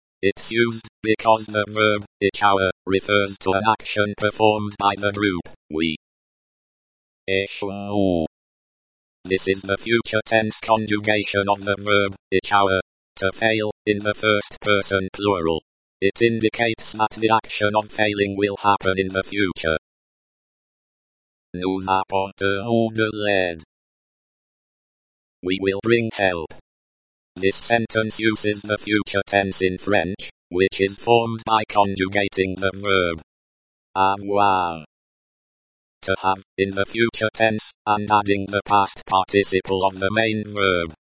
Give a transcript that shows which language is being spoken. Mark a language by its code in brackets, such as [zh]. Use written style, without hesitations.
[en] It's used because the verb, échouer, refers to an action performed by the group, we. [fr] Échouerons. [en] This is the future tense conjugation of the verb, échouer, to fail, in the first person plural. It indicates that the action of failing will happen in the future. [fr] Nous apporterons de l'aide. [en] We will bring help. This sentence uses the future tense in French, which is formed by conjugating the verb [fr] avoir [en] to have in the future tense and adding the past participle of the main verb.